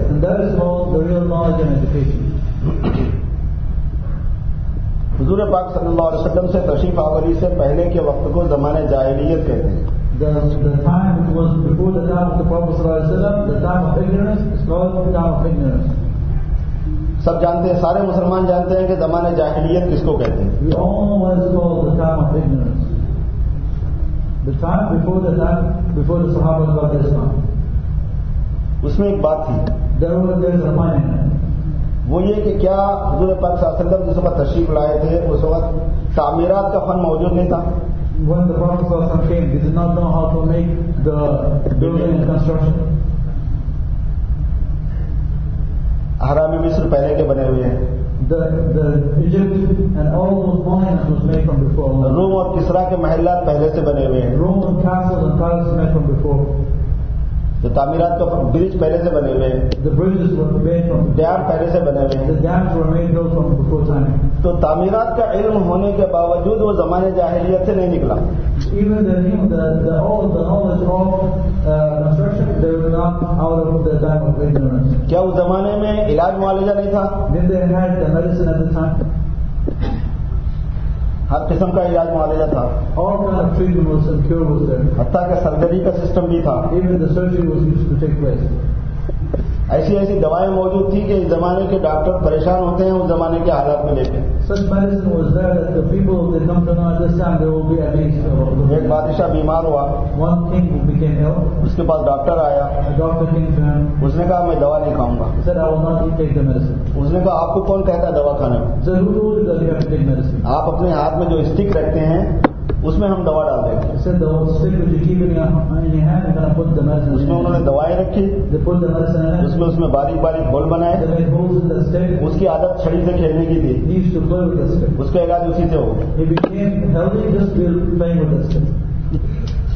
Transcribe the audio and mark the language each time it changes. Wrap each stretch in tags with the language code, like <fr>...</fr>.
<en>And that is called the real knowledge and education.</en> <ur>حضور پاک صلی اللہ علیہ وسلم سے تشریف آوری سے پہلے کے وقت کو زمانے جاہلیت کہتے ہیں</ur> <en>The time which was before the time of the Prophet صلی اللہ علیہ وسلم, the time of ignorance, is called the time of ignorance.</en> <ur>سب جانتے ہیں سارے مسلمان جانتے ہیں کہ زمانے جاہلیت کس کو کہتے ہیں</ur> <en>We all know what is called the time of ignorance. before the Sahaba got the Islam.</en> <ur>Usme ek baat thi.</ur> <en>There was a man.</en> <ur>وہ یہ کہ کیا حضور پاک صلی اللہ علیہ وسلم جس وقت تشریف لائے تھے اس وقت تعمیرات کا فن موجود نہیں تھا.</ur> <en>When the Prophet صلی اللہ علیہ وسلم came, he did not know how to make the building and construction.</en> <ur>حرام مصر پہلے کے بنے ہوئے ہیں.</ur> <en>The Egypt and all those monuments was made from before.</en> <ur>روم اور کسرا کے محلات پہلے سے بنے ہوئے ہیں.</ur> <en>Rome and castles and palaces made from before.</en> <ur>تو تعمیرات تو برج پہلے سے بنے ہوئے ہیں.</ur> <en>The bridges were made from</en> <ur>dam پہلے سے بنے ہوئے ہیں.</ur> <en>The dams were made those from before time.</en> <ur>تو تعمیرات کا علم ہونے کے باوجود وہ زمانے جاہلیت سے نہیں نکلا.</ur> <en>Even the new the all the knowledge of construction they were not out of the time of ignorance.</en> <ur>کیا اس زمانے میں علاج معالجہ نہیں تھا؟</ur> <en>Did they have the medicine at the time?</en> <ur>ہر قسم کا علاج معالجہ تھا.</ur> <en>All kind of treatment was and cure was there.</en> <ur>حتیٰ کہ سرجری کا سسٹم بھی تھا.</ur> <en>Even the surgery was used to take place.</en> <ur>ایسی دوائیں موجود تھی کہ اس زمانے کے ڈاکٹر پریشان ہوتے ہیں اس زمانے کے حالات میں لے کے.</ur> <en>Such medicine was there that the people they come to know at this time they will be amazed.</en> <ur>ایک بادشاہ بیمار ہوا.</ur> <en>One king became ill.</en> <ur>اس کے پاس ڈاکٹر آیا.</ur> <en>Doctor came to him.</en> <ur>اس نے کہا میں دوا نہیں کھاؤں گا.</ur> <en>He said I will not take the medicine.</en> <ur>اس نے کہا آپ کو کون کہتا ہے دوا کھانے میں؟</ur> <en>Sir, who told you that you have to take medicine?</en> <ur>آپ اپنے ہاتھ میں جو اسٹک رکھتے ہیں اس میں ہم دوا ڈال دیں.</ur> <en>Said the stick which you keep in your hand and then put the medicine.</en> <ur>اس میں انہوں نے دوائیں رکھی.</ur> <en>They put the medicine in it.</en> <ur>اس میں باریک باریک ہول بنائے.</ur> <en>They made holes in the stick.</en> <ur>اس کی عادت چھڑی سے کھیلنے کی تھی.</ur> <en>He used to play with the stick.</en> <ur>اس کا علاج اسی سے ہو.</ur> <en>He became healthy just playing with the stick.</en>